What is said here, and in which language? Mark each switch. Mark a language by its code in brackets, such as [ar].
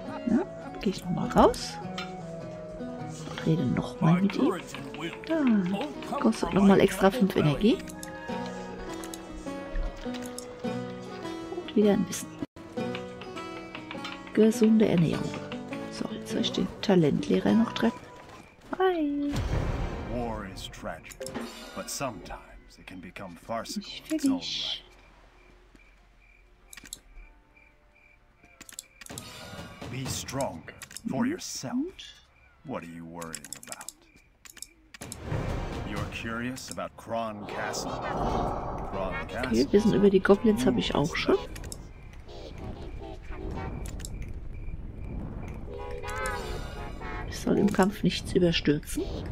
[de] Ja, gehe ich nochmal raus. Und rede nochmal mit ihm. Da, kostet nochmal extra 5 Energie. Wieder ein bisschen. Gesunde Ernährung. So, jetzt soll ich den Talentlehrer noch treffen. Hi! [en] War is tragic, but sometimes it can become farcical. Be strong for yourself. What are you worrying about? You're curious about Kron Castle? Kron Castle. [de] Okay, wissen über die Goblins habe ich auch schon. Soll im Kampf nichts überstürzen.